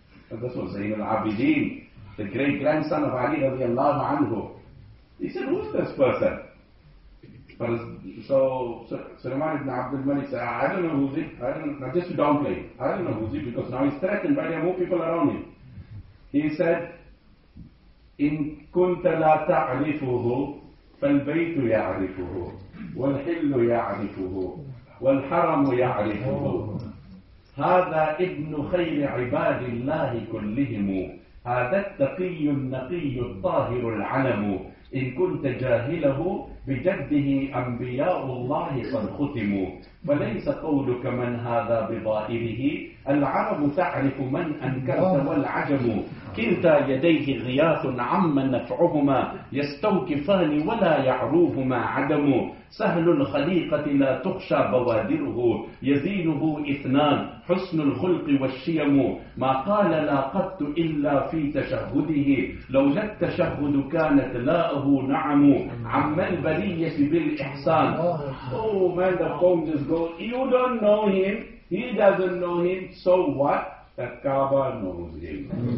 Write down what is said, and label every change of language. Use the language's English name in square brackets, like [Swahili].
[English] And this was Zain al-Abidin, the great grandson of Ali radiallahu anhu. He said, who's this person? So Sulaiman ibn Abdul Malik said, I don't know who's it. Just to downplay it. I don't know who's it because now he's threatened by there more people around him. He said, [Arabic] إِن كُنْتَ لَا تَعْرِفُهُ فَالْبَيْتُ يَعْرِفُهُ وَالْحِلُّ يَعْرِفُهُ وَالْحَرَمُ يَعْرِفُهُ هَذَا إِبْنُ خَيْرِ عِبَادِ اللَّهِ كُلِّهِمُ هَذَا التَّقِيُّ النَّقِيُّ الطَّاهِرُ الْعَلَمُ إن كنت جاهله بجده أنبياء الله قد ختموا فليس قولك من هذا بظاهره العرب تعرف من أنكرت والعجم كلتا يديه غياث عما نفعهما يستوكفان ولا يعروهما عدم سهل الخليقة لا تخشى بوادره يزينه إثنان حسن الخلق والشيم ما قال لا قط إلا في تشهده لولا التشهد كانت لاءه نعم عما البلية بالإحسان. [English] Oh man, the poem just goes, you don't know him, he doesn't know him, so what? Kaaba knows him.